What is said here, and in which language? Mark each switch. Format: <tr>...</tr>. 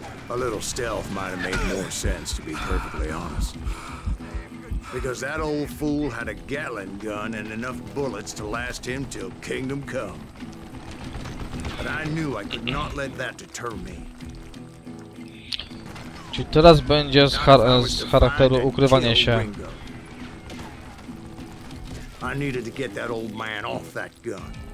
<en>A little stealth might have made more sense, to be perfectly honest. Because that old fool had a Gatling gun and enough bullets to last him till kingdom come. But I knew I could not let that deter me.</en> <pl>Czy teraz będzie z charakteru ukrywania się?</pl> <en>I needed to get that old man off that gun.</en>